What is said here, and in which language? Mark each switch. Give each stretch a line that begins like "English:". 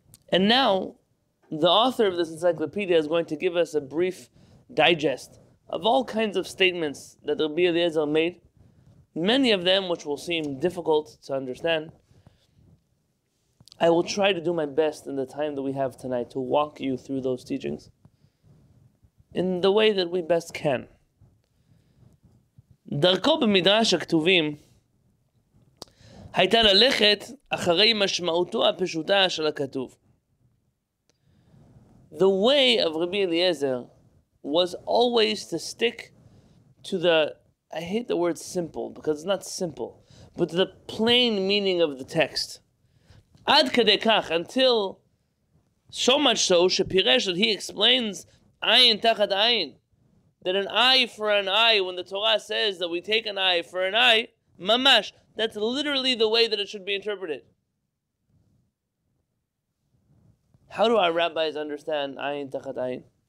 English: And now, the author of this encyclopedia is going to give us a brief digest of all kinds of statements that Rabbi Eliezer made, many of them which will seem difficult to understand. I will try to do my best in the time that we have tonight to walk you through those teachings in the way that we best can.
Hebrew: דרכו במדרש הכתובים הייתה ללכת אחרי משמעותו הפשוטה של הכתוב.
English: The way of Rabbi Eliezer was always to stick to the, I hate the word simple because it's not simple, but the plain meaning of the text.
Hebrew: עד כדי כך,
English: until so much so
Hebrew: שפירש,
English: that he explains
Hebrew: עין תחת עין.
English: That an eye for an eye, when the Torah says that we take an eye for an eye, mamash, that's literally the way that it should be interpreted. How do our rabbis understand ayin tachat ayin?